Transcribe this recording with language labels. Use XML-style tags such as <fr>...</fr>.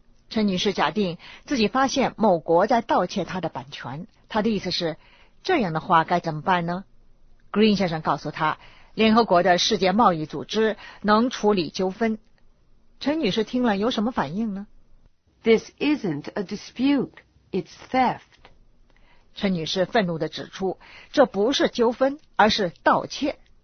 <zh>陈女士假定自己发现某国在盗窃她的版权，她的意思是，这样的话该怎么办呢？ Green 先生告诉她，联合国的世界贸易组织能处理纠纷。陈女士听了有什么反应呢？</zh> <en>This isn't a dispute, it's theft.</en> <zh>陈女士愤怒地指出，这不是纠纷，而是盗窃。</zh>